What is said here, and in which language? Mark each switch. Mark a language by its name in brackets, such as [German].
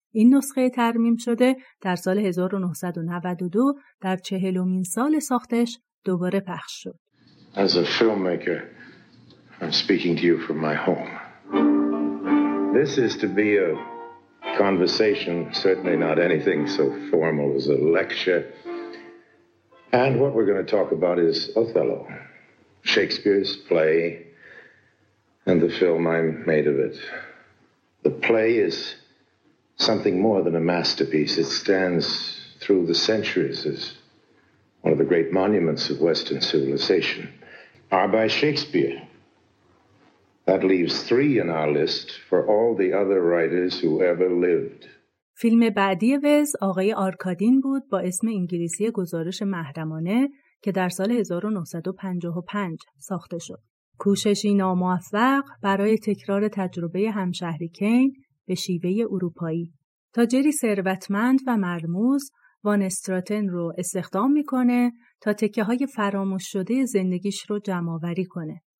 [Persian] این نسخه ترمیم شده در سال 1992 در 40th ساختش دوباره پخش شد. [English] As a filmmaker, I'm speaking to you from my home. This is to be a conversation, certainly not anything so formal as a lecture. And what we're going to talk about is Othello, Shakespeare's play, and the film I made of it. The play is something more than a masterpiece. It stands through the centuries as one of the great monuments of Western civilization. Are by Shakespeare. That leaves three in our list for all the other writers who ever lived. [Persian] فیلم بعدی وز آقای آرکادین بود با اسم انگلیسی گزارش محرمانه که در سال 1955 ساخته شد. کوششی ناموفق برای تکرار تجربه همشهری کین به شیوه اروپایی. تاجری ثروتمند و مرموز وان استراتن رو استخدام میکنه تا تکه های فراموش شده زندگیش رو جمع‌آوری کنه.